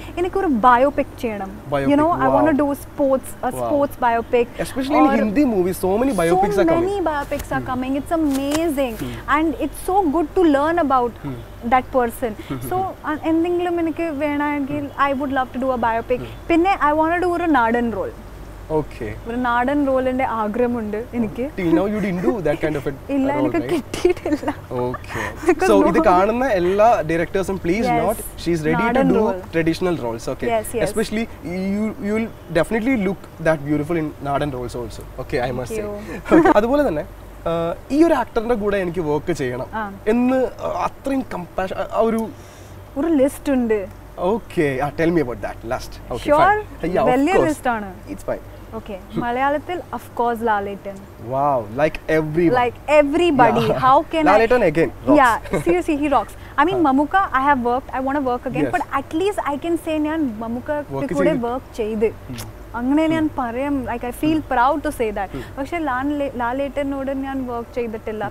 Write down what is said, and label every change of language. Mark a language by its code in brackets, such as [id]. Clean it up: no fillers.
[ml] എനിക്കൊരു ബയോപിക് ചെയ്യണം, [en] You know, I want to do sports, a sports biopic, especially in Hindi movies. So many biopics are coming, it's amazing and it's so good to learn about that person. So [ml] endingilum enikku venaengil [en] I would love to do a biopic. Pinne I want to do a nadan role. Okay, [ml] oru nadan role inde aagram undu enikku. [en] You know, you didn't do that kind of a [ml] illa enikku kittittilla. [en] Okay, so [ml] idu kaanuna ella directorsum [en] please note, she is ready to do traditional roles. Okay, especially you will definitely look that beautiful in nadan roles also. Okay, I must say. [ml] Adu pole thanne ഈ ഒരു ആക്ടറിന്റെ കൂടെ എനിക്ക് work ചെയ്യണം എന്ന് അത്രയും compassion ഒരു list ഉണ്ട്. [en] Okay, ah tell me about that last. [ml] Okay, വലിയ ലിസ്റ്റ് ആണ്. [en] It's fine. [ml] ഓക്കേ, മലയാളത്തിൽ of course Lalettan. [en] Wow, like everybody how can Lalettan again? Yeah, seriously, he rocks. I mean, Mamukka, I have worked, I want to work again, but at least I can say [ml] ഞാൻ Mamukka കൂടെ work ചെയ്തു. അങ്ങനെ ഞാൻ പറയാം, [en] Like I feel proud to say that. [ml] പക്ഷെ ലാലേട്ടനോട് ഞാൻ work ചെയ്തിട്ടില്ല.